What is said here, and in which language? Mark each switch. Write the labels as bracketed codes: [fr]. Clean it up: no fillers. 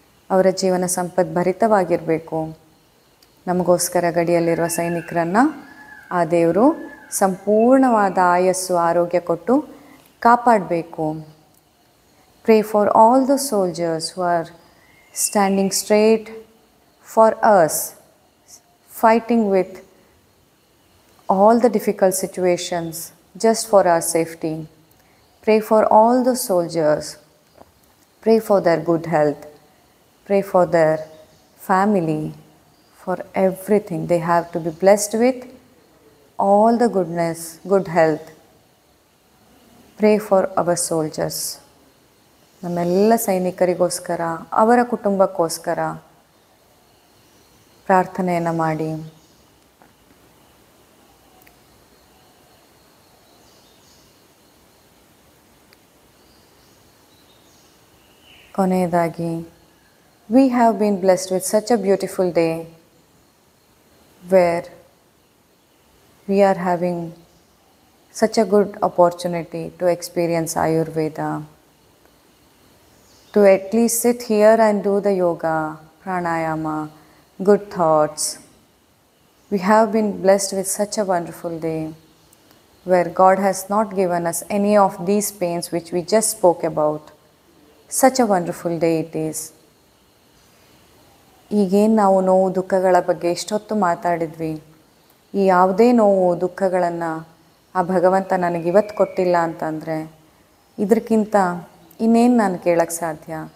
[kn] ಅವರ ಜೀವನ ಸಂಪತ್ತು ಭರಿತವಾಗಿರಬೇಕು. ನಮಗೋಸ್ಕರ ಗಡಿಯಲ್ಲಿರುವ ಸೈನಿಕರನ್ನು ಆ ದೇವರು ಸಂಪೂರ್ಣವಾದ ಆಯಸ್ಸು, ಆರೋಗ್ಯ ಕೊಟ್ಟು ಕಾಪಾಡಬೇಕು. [en] Pray for all the soldiers who are standing straight for us, fighting with all the difficult situations just for our safety. Pray for all the soldiers. Pray for their good health. Pray for their family, for everything. They have to be blessed with all the goodness, good health. Pray for our soldiers. [kn] Namella sainikarigoskara, avara kutumbakkoskara ಪ್ರಾರ್ಥನೆಯನ್ನು ಮಾಡಿ. [en] ಕೊನೆಯದಾಗಿ, we have been blessed with such a beautiful day where we are having such a good opportunity to experience Ayurveda, to at least sit here and do the yoga, pranayama, good thoughts. We have been blessed with such a wonderful day where God has not given us any of these pains which we just spoke about. Such a wonderful day it is. [kn] ಈಗೇನು ನಾವು ನೋವು ದುಃಖಗಳ ಬಗ್ಗೆ ಇಷ್ಟೊತ್ತು ಮಾತಾಡಿದ್ವಿ, ಈ ಯಾವುದೇ ನೋವು ದುಃಖಗಳನ್ನು ಆ ಭಗವಂತ ನನಗೆ ಇವತ್ತು ಕೊಟ್ಟಿಲ್ಲ ಅಂತಂದರೆ ಇದಕ್ಕಿಂತ ಇನ್ನೇನು ನಾನು ಕೇಳೋಕ್ಕೆ ಸಾಧ್ಯ?